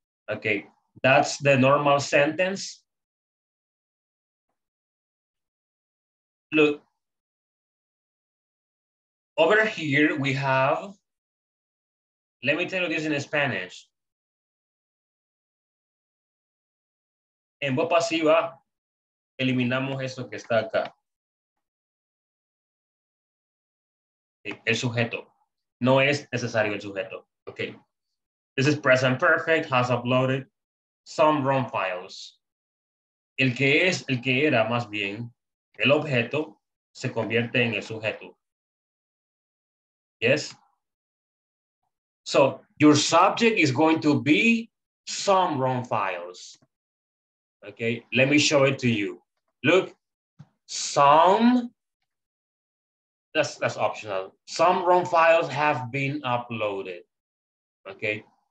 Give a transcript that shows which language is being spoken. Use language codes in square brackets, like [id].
[en] Okay, that's the normal sentence. Look, over here we have, let me tell you this in Spanish. [es] En voz pasiva, eliminamos eso que está acá. El sujeto. No es necesario el sujeto. Okay. [en] This is present perfect, has uploaded some wrong files. [es] El que es, el que era, más bien, el objeto se convierte en el sujeto. [en] Yes? So, your subject is going to be some wrong files. Okay, let me show it to you. Look, some, that's optional. Some wrong files have been uploaded, okay?